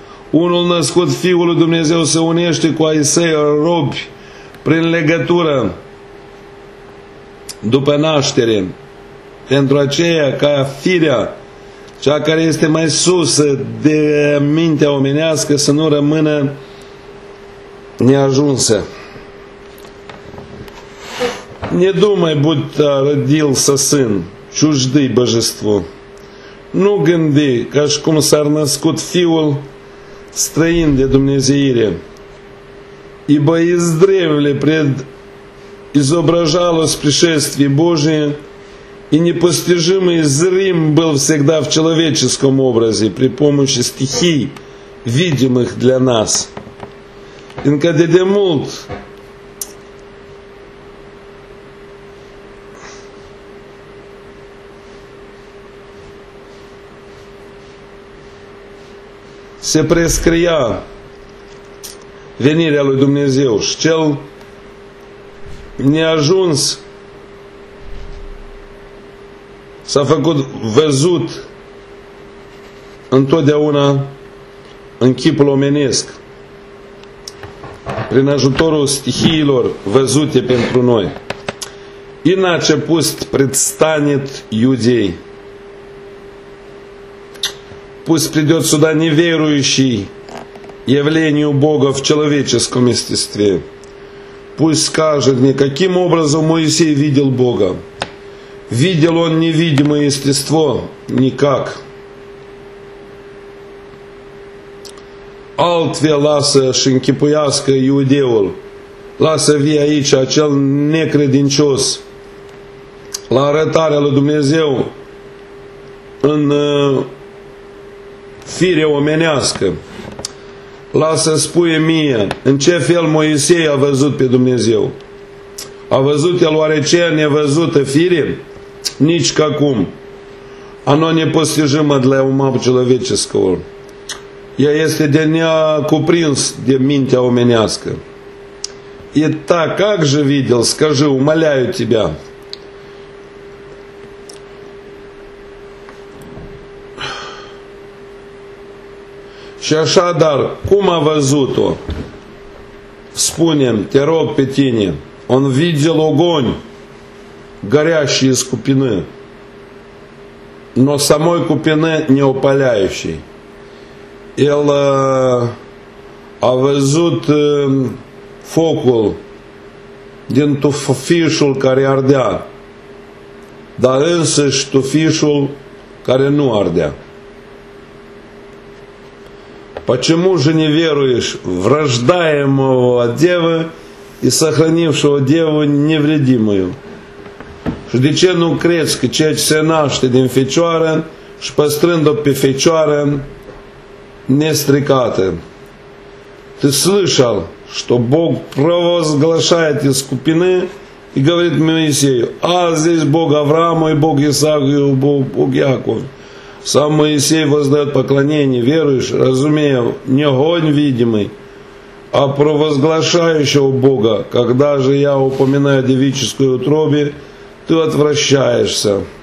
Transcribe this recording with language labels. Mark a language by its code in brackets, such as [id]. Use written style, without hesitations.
[ro] Unul născut Fiul lui Dumnezeu se unește cu ai săi robi prin legătură după naștere. Pentru aceea ca firea, cea care este mai sus de mintea omenească, să nu rămână neajunsă. [ru] Не думай, будто родился сын чуждый божеству. [ro] Nu gândi ca și cum s-ar născut Fiul străin de Dumnezeire, [ru] ибо издревле пред изображалось пришествие Божие и непостижимый зрим был всегда в человеческом образе при помощи стихий, видимых для нас. [ro] Încă de demult se prescria venirea lui Dumnezeu și cel neajuns s-a făcut văzut întotdeauna în chipul omenesc prin ajutorul stihiilor văzute pentru noi. [ru] Иначе пусть предстанет юдей. Пусть придет сюда неверующий явлению Бога в человеческом естестве. Пусть скажет мне, каким образом Моисей видел Бога. Видел он невидимое естество? Никак. [ro] Altfel lasă și închipuiască iudeul. Lasă vie aici acel necredincios la arătarea lui Dumnezeu în fire omenească. Lasă, spui mie, în ce fel Moisei a văzut pe Dumnezeu? A văzut el oare cea nevăzută fire? Nici ca cum. [ru] Оно непостижимо для ума человеческого. [ro] Ea este de neacuprins de mintea omenească. [ru] И так, как же видел, скажи, умоляю тебя. [ro] Și așadar, cum a văzut-o? Spune-mi, te rog pe tine, [ru] он видел огонь, горящий из купины, но самой купины не опаляющий. [ro] El a văzut focul din tufișul care ardea, dar însăși tufișul care nu ardea. [ru] Почему же не веруешь враждаемого от девы и сохранившего деву невредимую? [ro] Și de ce nu crezi că ceea ce se naște din fecioară și păstrând-o pe fecioară nestricată? [ru] Ты слышал, что Бог провозглашает из купины и говорит Моисею, а здесь Бог Авраама и Бог Исаака и Бог Якова. Сам Моисей воздает поклонение, веруешь, разумея, не огонь видимый, а провозглашающего Бога, когда же я упоминаю о девической утробе, ты отвращаешься.